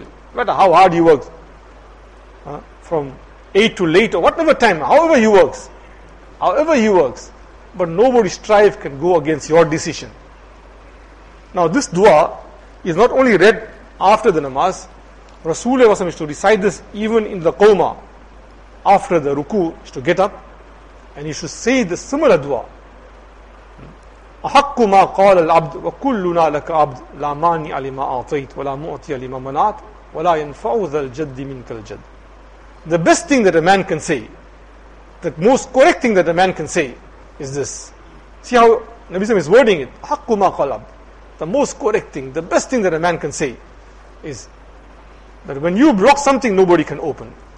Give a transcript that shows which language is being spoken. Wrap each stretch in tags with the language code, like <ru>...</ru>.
<en>No matter how hard he works, from 8 to late, or whatever time, however he works, but nobody's strive can go against your decision. Now this dua is not only read after the namaz. Rasulullah used to recite this even in the qawma, after the ruku, to get up, and he should say the similar dua.</en> <ar>أحق ما قال العبد وكلنا لك عبد لا مانع لما أعطيت ولا معطي لما منعت ولا ينفع ذا الجد منك الجد.</ar> <en>The best thing that a man can say, the most correct thing that a man can say is this. See how Nabi Sam is wording it.</en> <ar>أحق ما قال العبد.</ar> <en>The most correct thing, the best thing that a man can say is that when you block something, nobody can open.</en>